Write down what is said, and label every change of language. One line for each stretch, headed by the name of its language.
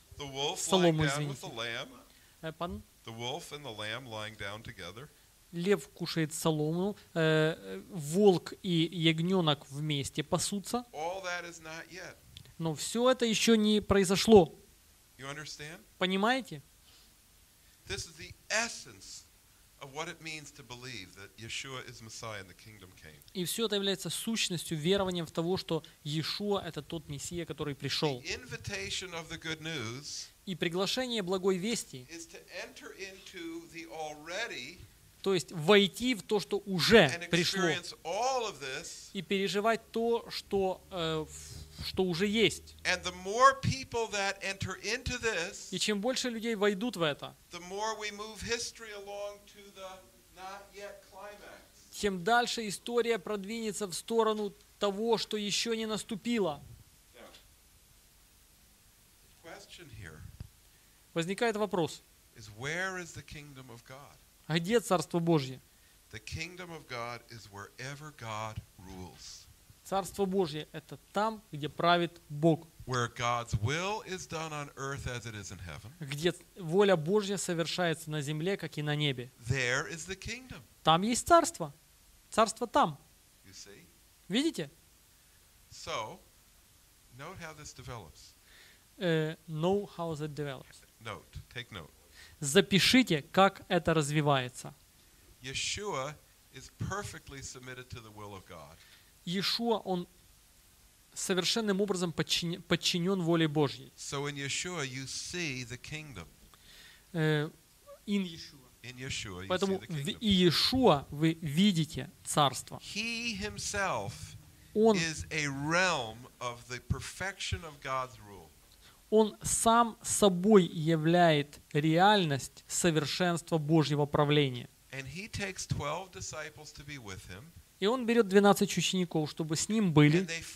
English: The wolf lying down with the lamb. The wolf and the lamb lying down together.
Russian: Лев кушает солому. Волк и ягненок вместе пасутся.
English: All that is not yet.
Russian: Но все это еще не произошло.
English: You understand?
Russian: Понимаете?
English: This is the essence of what it means to believe that Yeshua is Messiah and the kingdom came.
Russian: И все это является сущностью верования в того, что Иешуа это тот мессия, который пришел.
English: The invitation of the good news.
Russian: И приглашение благой вести.
English: Is to enter into the already.
Russian: То есть войти в то, что уже пришло.
English: And experience all of this.
Russian: И переживать то, что что уже есть.
English: And the more people that enter into this,
Russian: и чем больше людей войдут в это,
English: the more we move history along to the not yet climax.
Russian: Тем дальше история продвинется в сторону того, что еще не наступило.
English: Now, question here.
Russian: Возникает вопрос.
English: Is where is the kingdom of God?
Russian: Где Царство Божье?
English: The kingdom of God is wherever God rules.
Russian: Царство Божье – это там, где правит Бог.
English: Where God's will is done on earth as it is in heaven.
Russian: Где воля Божья совершается на земле, как и на небе.
English: There is the kingdom.
Russian: Там есть царство. Царство там.
English: You see?
Russian: Видите?
English: So, note how this develops. Know how that develops. Note. Take note.
Russian: Запишите, как это развивается.
English: Yeshua is perfectly submitted to the will of God.
Russian: Иешуа, он совершенным образом подчинен воле Божьей.
English: So in Yeshua you see the kingdom. In Yeshua. In Yeshua you
Russian: Поэтому
English: see the kingdom.
Russian: В Иешуа вы видите царство.
English: He himself is a realm of the perfection of God's rule.
Russian: Он сам собой являет реальность совершенства Божьего правления.
English: And he takes 12 disciples to be with him.
Russian: И он берет 12 учеников, чтобы с ним были.